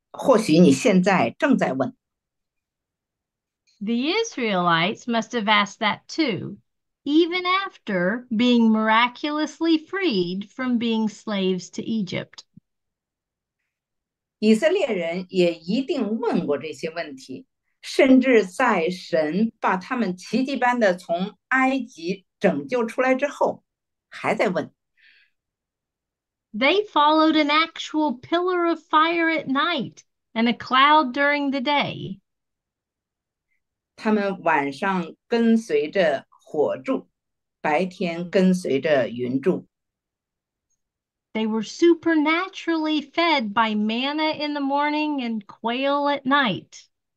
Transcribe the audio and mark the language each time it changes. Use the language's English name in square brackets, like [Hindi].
[Chinese] 你可能也曾经问过这些问题，或许你现在正在问。 [English] The Israelites must have asked that too, even after being miraculously freed from being slaves to Egypt. [Chinese] 以色列人也一定问过这些问题，甚至在神把他们奇迹般的从埃及拯救出来之后，还在问。 [English] They followed an actual pillar of fire at night and a cloud during the day. [Chinese] 他们晚上跟随着火柱，白天跟随着云柱。 [English] They were supernaturally fed by manna in the morning and quail at night.